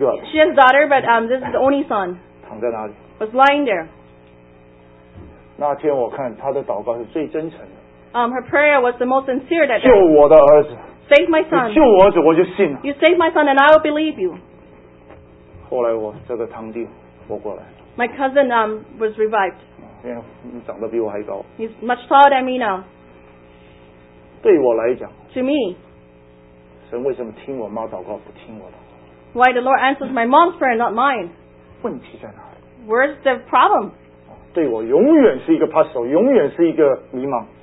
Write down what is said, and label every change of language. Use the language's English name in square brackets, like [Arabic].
[English] She has a daughter, but this is the only son. Was lying there. Her prayer was the most sincere that day. Save my son. [Chinese] 救我儿子, [English] you save my son, and I will believe you. [Chinese] 后来我这个堂弟活过来。 [English] My cousin was revived. [Chinese] 你长得比我还高。 [English] He's much taller than me now. [Chinese] 对我来讲, [English] to me, [Chinese] 神为什么听我妈祷告不听我的? [English] Why the Lord answers my mom's prayer, not mine? [Chinese] 问题在哪? [English] Where's the problem? [Chinese] 对我永远是一个 puzzle, 永远是一个迷茫。